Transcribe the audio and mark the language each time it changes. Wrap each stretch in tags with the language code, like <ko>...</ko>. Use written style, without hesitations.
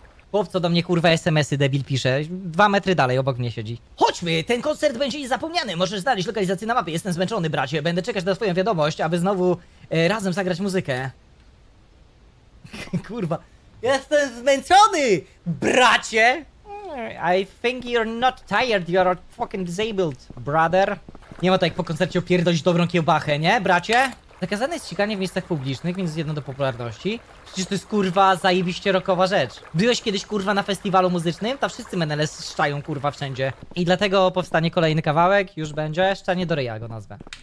<pl>Chłop, co do mnie kurwa SMS-y debil pisze, 2 metry dalej obok mnie siedzi. Chodźmy, ten koncert będzie niezapomniany, możesz znaleźć lokalizację na mapie, jestem zmęczony bracie, będę czekać na twoją wiadomość, aby znowu razem zagrać muzykę. Kurwa, jestem zmęczony, bracie!</pl> <en>I think you're not tired, you're fucking disabled, brother.</en> <pl>Nie ma to jak po koncercie opierdolić dobrą kiełbachę, nie, bracie? Zakazane jest ściganie w miejscach publicznych, więc jedno do popularności. Przecież to jest kurwa zajebiście rockowa rzecz. Byłeś kiedyś kurwa na festiwalu muzycznym? Tam wszyscy menele szczają kurwa wszędzie. I dlatego powstanie kolejny kawałek, już będzie, szczanie do ryja go nazwę.</pl>